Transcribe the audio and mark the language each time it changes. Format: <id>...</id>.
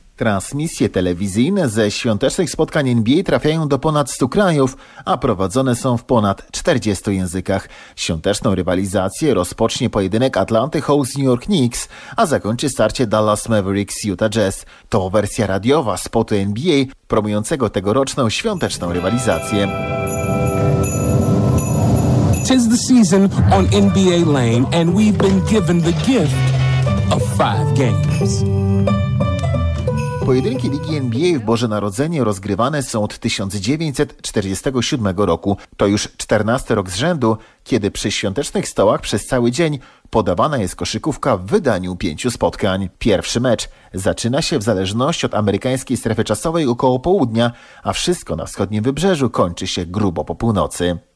<pl>Transmisje telewizyjne ze świątecznych spotkań NBA trafiają do ponad 100 krajów, a prowadzone są w ponad 40 językach. Świąteczną rywalizację rozpocznie pojedynek Atlanty Hawks New York Knicks, a zakończy starcie Dallas Mavericks Utah Jazz. To wersja radiowa spotu NBA promującego tegoroczną świąteczną rywalizację.</pl> <en>Tis the season on NBA Lane and we've been given the gift of 5 games.</en> <pl>Pojedynki Ligi NBA w Boże Narodzenie rozgrywane są od 1947 roku. To już 14 rok z rzędu, kiedy przy świątecznych stołach przez cały dzień podawana jest koszykówka w wydaniu 5 spotkań. Pierwszy mecz zaczyna się w zależności od amerykańskiej strefy czasowej około południa, a wszystko na wschodnim wybrzeżu kończy się grubo po północy.</pl>